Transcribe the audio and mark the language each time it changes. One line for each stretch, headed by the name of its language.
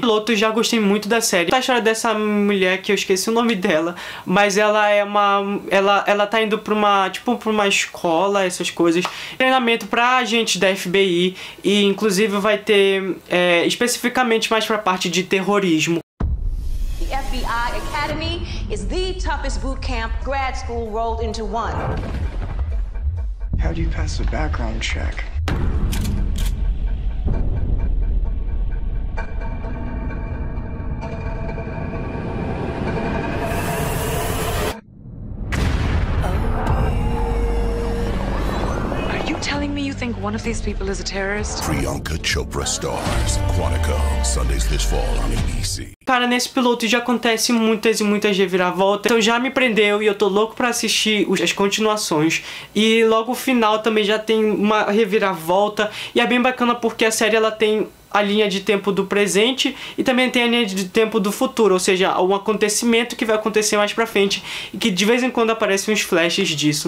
Portuguese: Piloto, já gostei muito da série. A história dessa mulher, que eu esqueci o nome dela, mas ela é uma... Ela tá indo pra uma, tipo, pra uma escola, essas coisas, treinamento pra agente da FBI, e inclusive vai ter especificamente mais pra parte de terrorismo.
English: The FBI Academy is the toughest boot camp grad school rolled into one. How do you pass the background check? Think one of these people is a terrorist? Priyanka Chopra stars Quantico Sundays this fall on ABC.
Portuguese: Cara, nesse piloto já acontece muitas e muitas reviravoltas, então já me prendeu e eu tô louco pra assistir as continuações. E logo o final também já tem uma reviravolta, e é bem bacana porque a série ela tem a linha de tempo do presente e também tem a linha de tempo do futuro, ou seja, um acontecimento que vai acontecer mais pra frente e que de vez em quando aparecem uns flashes disso.